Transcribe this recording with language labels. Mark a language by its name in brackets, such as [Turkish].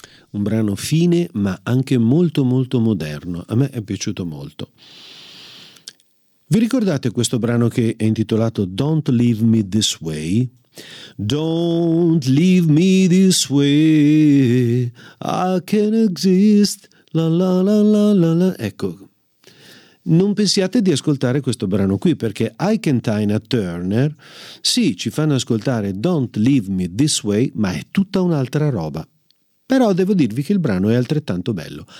[Italian] un brano fine ma anche molto molto moderno. A me è piaciuto molto. Vi ricordate questo brano che è intitolato Don't Leave Me This Way? [English] Don't leave me this way, I can't exist, la la la la la la. [Italian] Ecco, non pensiate di ascoltare questo brano qui, perché Ike and Tina Turner, sì, ci fanno ascoltare Don't Leave Me This Way, ma è tutta un'altra roba. Però devo dirvi che il brano è altrettanto bello.